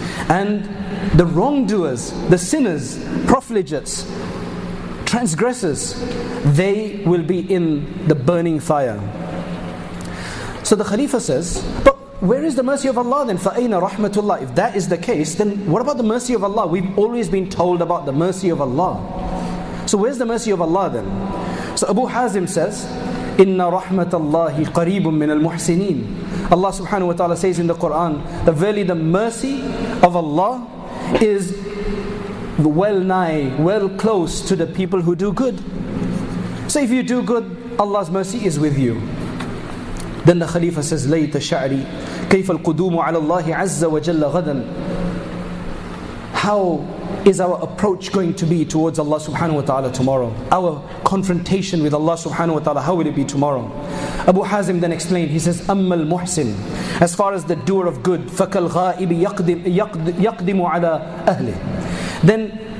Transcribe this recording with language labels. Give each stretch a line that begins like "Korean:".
English: And the wrongdoers, the sinners, profligates, transgressors, they will be in the burning fire. So the Khalifa says, but where is the mercy of Allah then?
Arabic: فَأَيْنَ رَحْمَةُ اللَّهِ.
English: If that is the case, then what about the mercy of Allah? We've always been told about the mercy of Allah. So where's the mercy of Allah then? So Abu Hazim says,
Arabic: إِنَّ رَحْمَةَ اللَّهِ قَرِيبٌ مِّنَ الْمُحْسِنِينَ.
English: Allah subhanahu wa ta'ala says in the Quran, that verily the mercy of Allah is well nigh, well close to the people who do good. So if you do good, Allah's mercy is with you. Then the Khalifa says,
Arabic: لَيْتَ شَعْرِي كَيْفَ الْقُدُومُ عَلَى اللَّهِ عَزَّ وَجَلَّ غَدًا.
English: How is our approach going to be towards Allah subhanahu wa ta'ala tomorrow? Our confrontation with Allah subhanahu wa ta'ala, how will it be tomorrow? Abu Hazim then explained, he says,
Arabic: أَمَّا الْمُحْسِنُ.
English: As far as the doer of good,
Arabic: فَكَالْغَائِبِ يَقْدِمُ عَلَى أَهْلِهِ.
English: Then